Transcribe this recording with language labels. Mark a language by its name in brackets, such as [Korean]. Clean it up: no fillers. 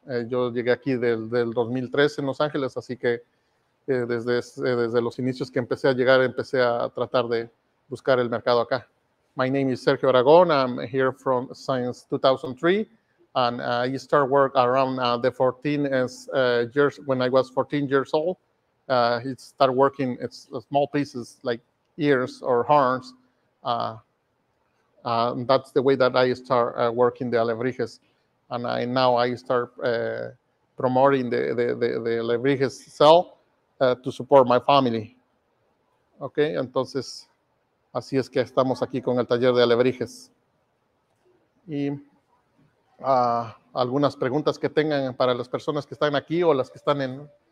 [Spanish] Yo llegué aquí del 2003 en Los Ángeles, así que desde los inicios que empecé a llegar, empecé a tratar de buscar el mercado acá. [English] My name is Sergio Aragón. I'm here from since 2003. And I started work around the 14 years, when I was 14 years old. I started working at small pieces like ears or horns. That's the way that I start working the alebrijes, and I start promoting the alebrijes sell to support my family. [Spanish] Okay, entonces así es que estamos aquí con el taller de alebrijes. Y algunas preguntas que tengan para las personas que están aquí o las que están en.